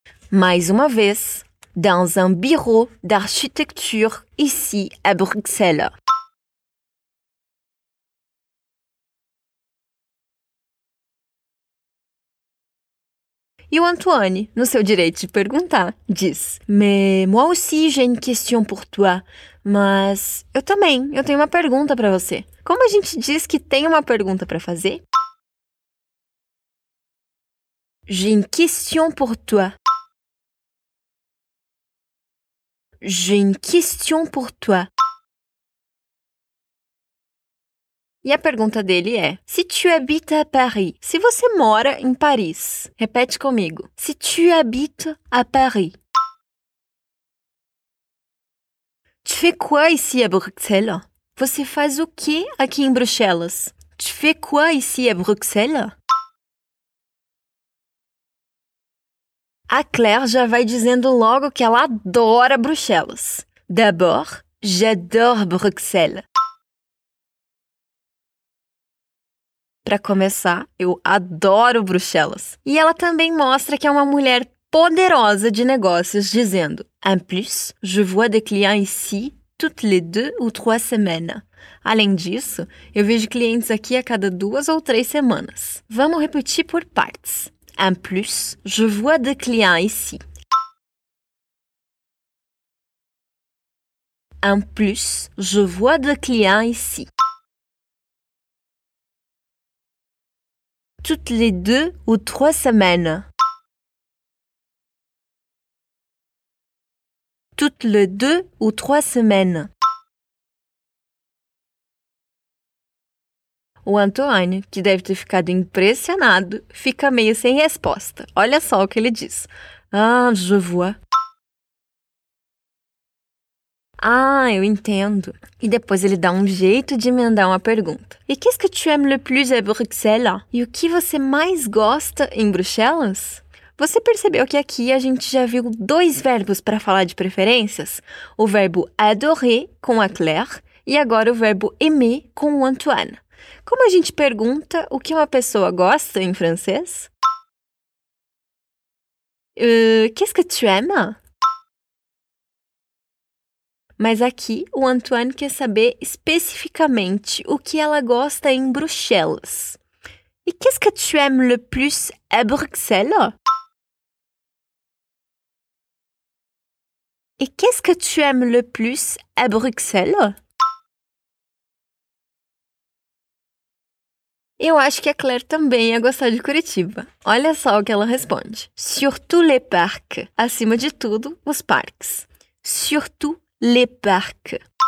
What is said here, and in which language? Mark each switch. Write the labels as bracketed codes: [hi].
[pt] Mais uma vez. [fr] Dans un bureau d'architecture ici à Bruxelles. [pt] E o Antoine, no seu direito de perguntar, diz: [fr] Mais moi aussi j'ai une question pour toi. [pt] Mas eu também, eu tenho uma pergunta para você. Como a gente diz que tem uma pergunta para fazer? [fr] J'ai une question pour toi. J'ai une question pour toi. [pt] E a pergunta dele é: [fr] Si tu habites à Paris? [pt] Se você mora em Paris. Repete comigo. [fr] Si tu habites à Paris? Tu fais quoi ici à Bruxelles? [pt] Você faz o quê aqui em Bruxelas? [fr] Tu fais quoi ici à Bruxelles? [pt] A Claire já vai dizendo logo que ela adora Bruxelas. [fr] D'abord, j'adore Bruxelles. [pt] Para começar, eu adoro Bruxelas. E ela também mostra que é uma mulher poderosa de negócios, dizendo: [fr] En plus, je vois des clients ici toutes les deux ou trois semaines. [pt] Além disso, eu vejo clientes aqui a cada duas ou três semanas. Vamos repetir por partes. [fr] En plus, je vois des clients ici. En plus, je vois des clients ici. Toutes les deux ou trois semaines. Toutes les deux ou trois semaines. [pt] O Antoine, que deve ter ficado impressionado, fica meio sem resposta. Olha só o que ele diz. [fr] Ah, je vois. [pt] Ah, eu entendo. E depois ele dá um jeito de emendar uma pergunta. [fr] E qu'est-ce que tu aimes le plus à Bruxelles? [pt] E o que você mais gosta em Bruxelas? Você percebeu que aqui a gente já viu dois verbos para falar de preferências? O verbo adorer com a Claire e agora o verbo aimer com o Antoine. Como a gente pergunta o que uma pessoa gosta em francês? [fr] Qu'est-ce que tu aimes? [pt] Mas aqui, o Antoine quer saber especificamente o que ela gosta em Bruxelas. [fr] E qu'est-ce que tu aimes le plus à Bruxelles? E qu'est-ce que tu aimes le plus à Bruxelles? [pt] Eu acho que a Claire também ia gostar de Curitiba. Olha só o que ela responde. [fr] Surtout les parcs. [pt] Acima de tudo, os parques. [fr] Surtout. Le parc.